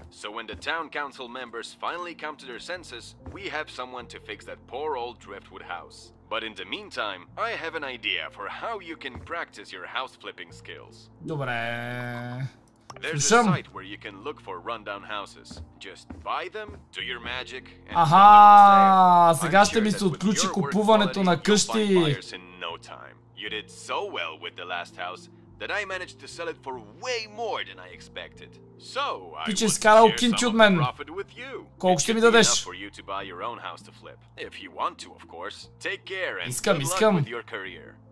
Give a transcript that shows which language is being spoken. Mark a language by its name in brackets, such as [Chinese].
[English] So when the town council members finally come to their senses, we have someone to fix that poor old driftwood house. But in the meantime, I have an idea for how you can practice your house flipping skills. [Bulgarian] Добре. [English] There's a site where you can look for rundown houses. Just buy them, do your magic, and [Bulgarian] аха, сега ще ми се отключи купуването на къщи. [English] No time. You did so well with the last house that I managed to sell it for way more than I expected. So, I just got a kinch of men. [Bulgarian] Колко ще ми дадеш? [English] For you to buy your own house to flip. If you want to, of course. Take care and good luck with your career.